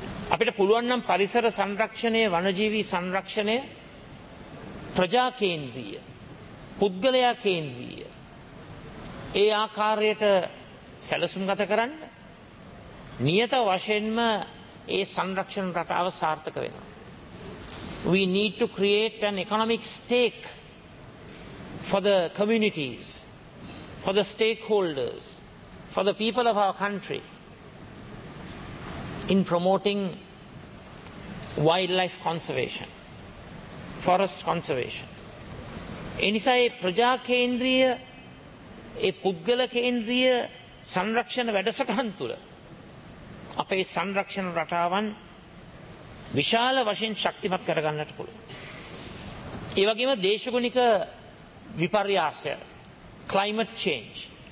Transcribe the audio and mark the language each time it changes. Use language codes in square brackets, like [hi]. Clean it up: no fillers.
[si] අපිට පුළුවන් නම් පරිසර සංරක්ෂණය, වනජීවී සංරක්ෂණය ප්‍රජා කේන්ද්‍රීය, පුද්ගලයා කේන්ද්‍රීය ඒ ආකාරයට සැලසුම් ගත කරන්න නියත වශයෙන්ම ඒ සංරක්ෂණ රටාව සාර්ථක වෙනවා. [en] We need to create an economic stake for the communities, for the stakeholders, for the people of our country in promoting wildlife conservation, forest conservation. [si] එනිසා ඒ ප්‍රජා කේන්ද්‍රීය, ඒ පුද්ගල කේන්ද්‍රීය සංරක්ෂණ වැඩසටහන් තුළ අපේ සංරක්ෂණ රටාවන් විශාල වශයෙන් ශක්තිමත් කරගන්නට පුළුවන්. ඒ වගේම දේශගුණික විපර්යාසය, climate change.